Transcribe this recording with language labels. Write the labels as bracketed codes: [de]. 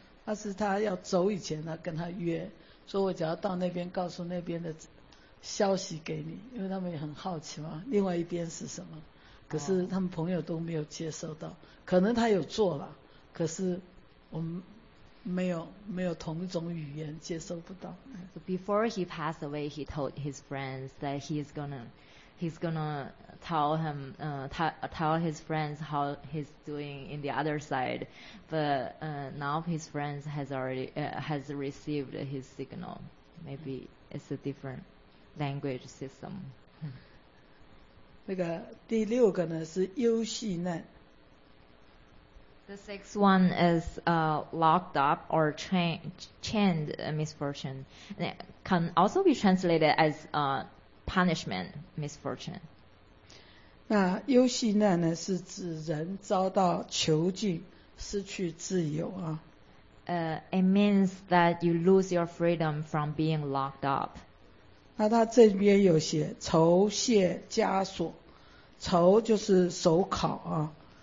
[zh] 但是他要走以前他跟他约，说我只要到那边告诉那边的消息给你，因为他们也很好奇嘛，另外一边是什么，可是他们朋友都没有接收到，可能他有做了，可是我们没有同一种语言接收不到。 [en] So before he passed away, he told his friends that he's gonna tell him, tell his friends how he's doing in the other side. But now his friends has received his signal. Maybe it's a different language system. [zh] 那个第六个呢是忧喜难。 [en] The sixth one is locked up or chained misfortune. And it can also be translated as punishment misfortune. [zh] 那忧喜难呢是指人遭到囚禁失去自由啊。 [en] It means that you lose your freedom from being locked up. [zh] 那他这边有写囚械枷锁，囚就是手铐啊。